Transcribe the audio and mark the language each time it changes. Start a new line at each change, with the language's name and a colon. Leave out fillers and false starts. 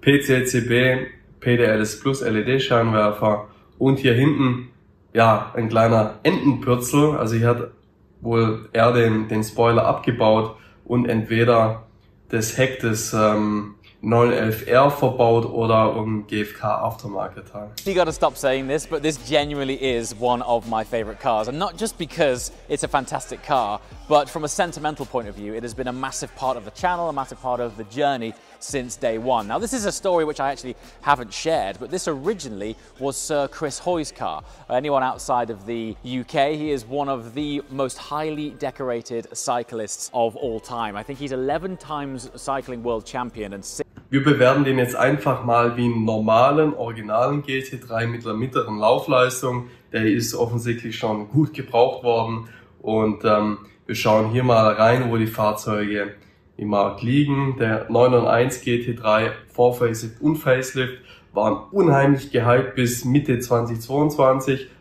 German: PCCB, PDLS Plus LED-Scheinwerfer und hier hinten ja ein kleiner Entenpürzel. Also hier hat wohl er den Spoiler abgebaut und entweder das Heck des 911R verbaut oder irgendein GFK Aftermarket-Teil.
English: You gotta stop saying this, but this genuinely is one of my favorite cars. And not just because it's a fantastic car, but from a sentimental point of view, it has been a massive part of the channel, a massive part of the journey since day one. Now, this is a story which I actually haven't shared, but this originally was Sir Chris Hoy's car. Anyone outside of the UK, he is one of the most highly decorated cyclists of all time. I think he's 11 times cycling world champion and six.
German: Wir bewerten den jetzt einfach mal wie einen normalen, originalen GT3 mit einer mittleren Laufleistung. Der ist offensichtlich schon gut gebraucht worden und wir schauen hier mal rein, wo die Fahrzeuge im Markt liegen. Der 901 GT3 vor Facelift und Facelift waren unheimlich gehypt bis Mitte 2022,